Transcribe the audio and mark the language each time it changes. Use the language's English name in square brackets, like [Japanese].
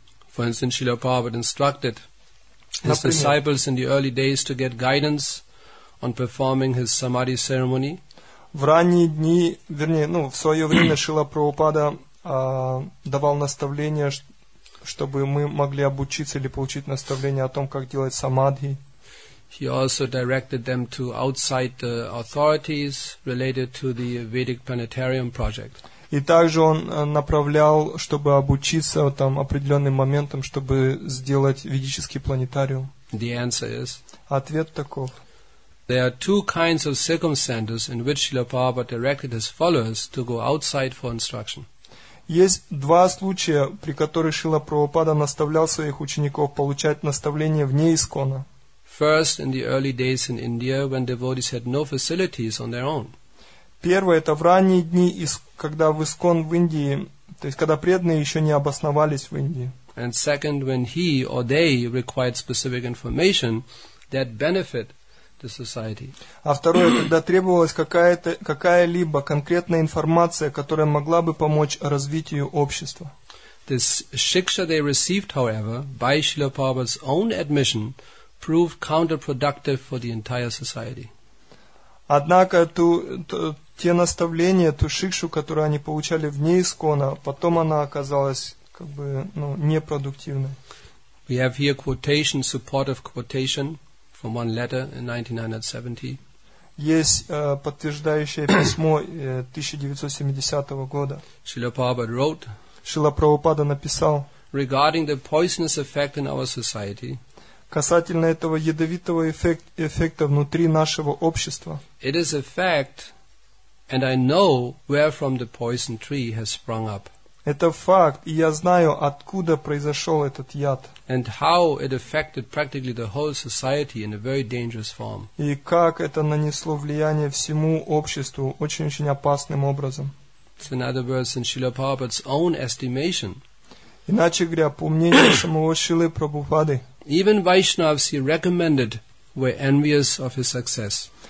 [English] For instance, Srila Prabhupada instructed his disciples in the early days to get guidance on performing his samadhi ceremony. [Russian] В ранние дни, в свое время Шрила Прабхупада давал наставление, чтобы мы могли обучиться или получить наставление о том, как делать самадхи. [English] He also directed them to outside the authorities related to the Vedic Planetarium project. [Russian] И также он направлял, чтобы обучиться там определенным моментам, чтобы сделать ведический планетариум. [English] The answer is. [Russian] Ответ таков. [English] There are two kinds of circumstances in which Srila Prabhupada directed his followers to go outside for instruction. [Russian] Есть два случая, при которых Шрила Прабхупада наставлял своих учеников получать наставление вне ИСКОНа. [English] First, in the early days in India, when devotees had no facilities on their own. [Russian] Первое, это в ранние дни, когда в ИСКОН в Индии, то есть когда преданные еще не обосновались в Индии. [English] And second, when he or they required specific information that benefit the society. [Russian] А второе, когда требовалась какая-либо конкретная информация, которая могла бы помочь развитию общества. [English] This shiksha they received, however, by Srila Prabhupada's own admission, proved counterproductive for the entire society. [Russian] Однако те наставления, ту шикшу, которую они получали вне ИСКОНа, потом она оказалась непродуктивной. [English] We have here quotation, supportive quotation. From one letter in 1970. [Russian] Есть подтверждающее письмо 1970 года. [English] Srila Prabhupada wrote. [Russian] Шрила Прабхупада написал. [English] Regarding the poisonous effect in our society. [Russian] касательно этого ядовитого эффекта внутри нашего общества. [English] It is a fact, and I know where from the poison tree has sprung up. [Russian] Это факт, и я знаю, откуда произошел этот яд. [English] And how it affected practically the whole society in a very dangerous form. [Russian] И как это нанесло влияние всему обществу очень-очень опасным образом. [English] So in other words, in Srila Prabhupada's own estimation. [Russian] Иначе говоря, по мнению самого Шрилы Прабхупады. [English] Even Vaishnavas he recommended were envious of his success.